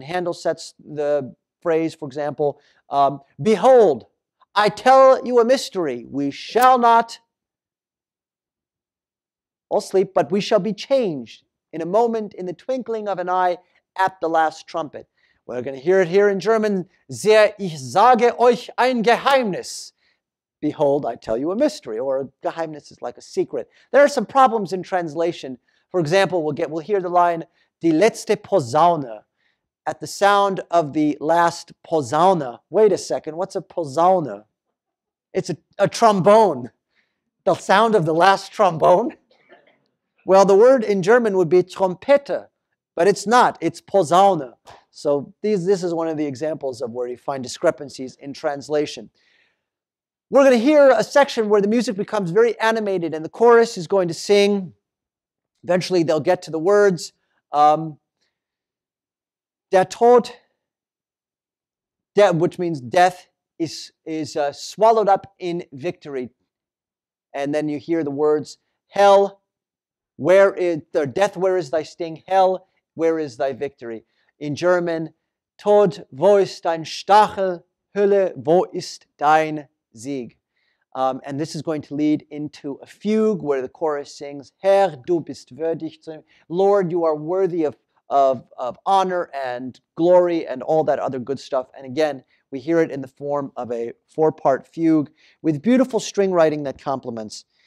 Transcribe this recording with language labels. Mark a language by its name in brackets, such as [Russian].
[English] Handel sets the phrase, for example, behold, I tell you a mystery. We shall not all sleep, but we shall be changed in a moment, in the twinkling of an eye, at the last trumpet. We're going to hear it here in German. [German] Sehr, ich sage euch ein Geheimnis. [English] Behold, I tell you a mystery, or a Geheimnis is like a secret. There are some problems in translation. For example, we'll hear the line, [German] die letzte Posaune, [English] at the sound of the last Posaune. Wait a second, what's a Posaune? It's a trombone. The sound of the last trombone? Well, the word in German would be Trompete, but it's not, it's Posaune. So this is one of the examples of where you find discrepancies in translation. We're going to hear a section where the music becomes very animated and the chorus is going to sing. Eventually, they'll get to the words. Der Tod, which means death, is swallowed up in victory. And then you hear the words, hell, where is the death, where is thy sting? Hell, where is thy victory? [German] In German, Tod, wo ist dein Stachel? Hölle, wo ist dein Sieg? [English] And this is going to lead into a fugue where the chorus sings, [German] Herr, du bist würdig zu, [English] Lord, you are worthy of honor and glory and all that other good stuff. And again, we hear it in the form of a four-part fugue with beautiful string writing that complements.